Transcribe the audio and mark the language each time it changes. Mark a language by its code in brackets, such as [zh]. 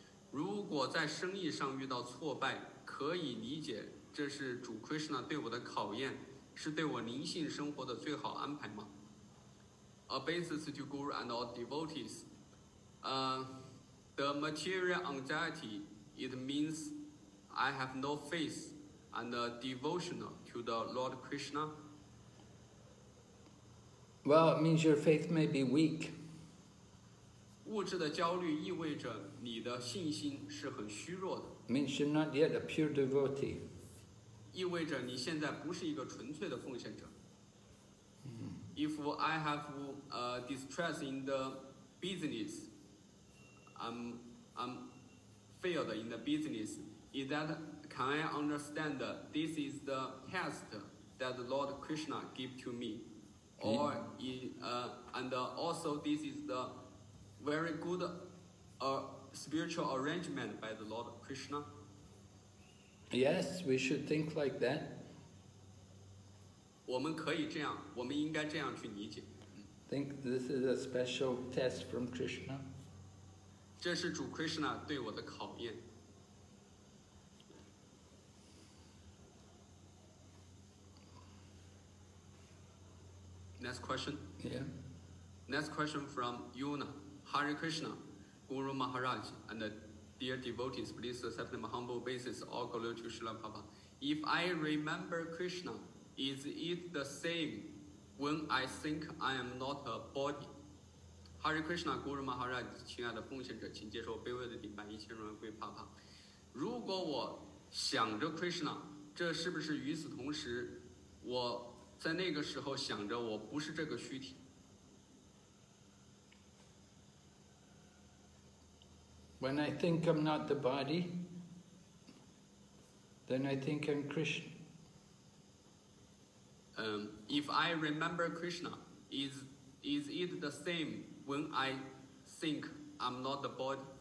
[zh] 如果在生意上遇到挫败，可以理解这是主 Krishna 对我的考验，是对我灵性生活的最好安排吗？ [en] Obeisances to Guru and all devotees. The material anxiety, it means I have no faith and devotional to the Lord Krishna. Well, it means your faith may be weak. [zh] 物质的焦虑意味着你的信心是很虚弱的。 [en] Means you're not yet a pure devotee. [zh] 意味着你现在不是一个纯粹的奉献者。 [en] If I have a distress in the business, I'm failed in the business, is that, can I understand that this is the test that Lord Krishna gave to me? Or, and also this is the very good spiritual arrangement by the Lord Krishna? Yes, we should think like that. [zh] 我们可以这样，我们应该这样去理解。 [en] Think this is a special test from Krishna. [zh] 这是主 Krishna 对我的考验。 [en] Next question. Yeah. Next question from Yuna. Hare Krishna, Guru Maharaj, and dear devotees, please accept my humble obeisances. All glory to Srila Prabhupada. If I remember Krishna. Is it the same when I think I am not a body? [zh] Hare Krishna, Guru Maharaj, 亲爱的奉献者，请接受卑微的顶拜，一千荣耀归帕帕。如果我想着 Krishna, 这是不是与此同时，我在那个时候想着我不是这个躯体？ [en] When I think I'm not the body, then I think I'm Krishna. If I remember Krishna, is it the same when I think I'm not the body?